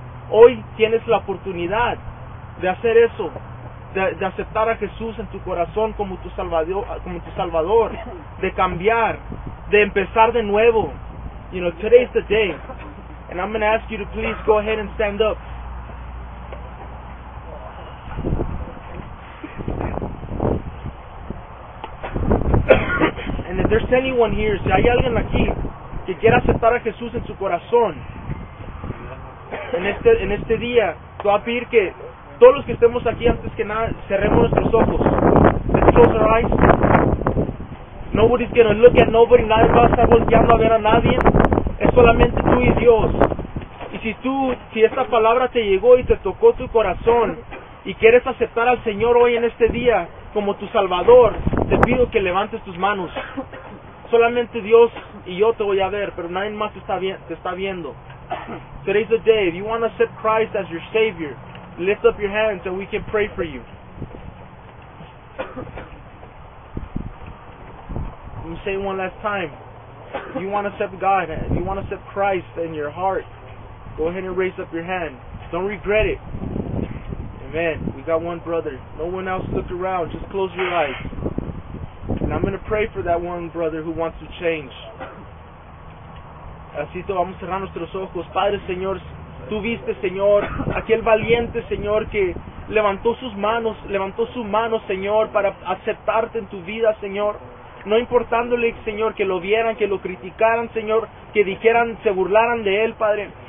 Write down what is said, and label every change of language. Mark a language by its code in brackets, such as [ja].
[es] Hoy tienes la oportunidad de hacer eso, de aceptar a Jesús en tu corazón como tu Salvador, de cambiar, de empezar de nuevo. [en] You know, today's the day, and I'm going to ask you to please go ahead and stand up. And if there's anyone here, [es] si hay alguien aquí que quiera aceptar a Jesús en su corazón, en este día, te voy a pedir que todos los que estemos aquí, antes que nada, cerremos nuestros ojos. [en] Let's close our eyes. Nobody's going to look at nobody. [es] Nadie va a estar volteando a ver a nadie. Es solamente tú y Dios. Y si esta palabra te llegó y te tocó tu corazón y quieres aceptar al Señor hoy en este día como tu Salvador, te pido que levantes tus manos. Solamente Dios y yo te voy a ver, pero nadie más te está viendo. [en] Today's the day. If you want to accept Christ as your Savior, lift up your hands and we can pray for you. Let me say it one last time. If you want to accept God, if you want to accept Christ in your heart, go ahead and raise up your hand. Don't regret it. Amen. We got one brother. No one else looked around. Just close your eyes. And I'm going to pray for that one brother who wants to change. [es] Así te vamos a cerrar nuestros ojos. Padre, Señor, tú viste, Señor, aquel valiente, Señor, que levantó su mano, Señor, para aceptarte en tu vida, Señor. no importándole, Señor, que lo vieran, que lo criticaran, Señor, que dijeran, se burlaran de él, Padre.